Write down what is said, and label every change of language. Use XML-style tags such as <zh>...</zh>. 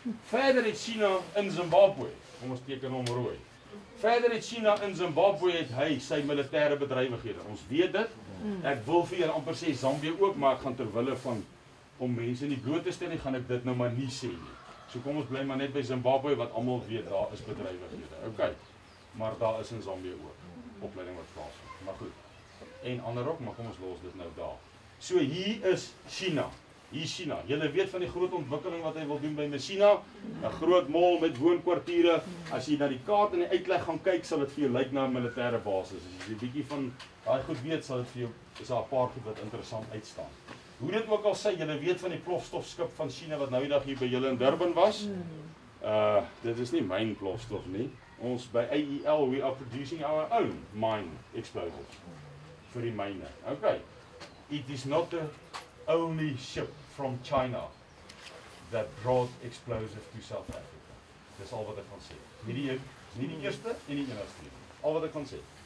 <af>Verder het China in Zimbabwe, kom ons teken om rooi. Verder het China in Zimbabwe het hy sy militêre bedrywighede. Ons weet dit. Ek wil vir julle amper sê Zambië ook, maar ek gaan ter wille van om mense in die groot te stel, gaan ek dit nou maar nie sê nie. So kom ons bly maar net by Zimbabwe wat almal weet daar is bedrywighede. OK. Maar daar is in Zambië ook opleiding wat plaas. Maar goed. En ander ook, maar kom ons los dit nou daar. So hier is China. Hier is China. Julle weet van die groot ontwikkeling wat hy wil doen by Messina, 'n groot mall met woonkwartiere. As jy na die kaart en die uitleg gaan kyk, sal dit vir jou lyk na 'n militêre basis. As jy 'n bietjie van daai goed weet, sal dit vir jou is daar 'n paar goed wat interessant uitstaan. Hoe dit ook al sê, julle weet van die plofstofskip van China wat nou die dag hier by julle in Durban was. Dit is nie myn plofstof nie. Ons by</af> <en>AEL, we are producing our own mine explosives for the miner. Okay, it is not the only ship from China that brought explosives to South Africa.</en> <af>Dis al wat ek kan sê. Nie die eerste en die enigste. Al wat ek kan sê.</af>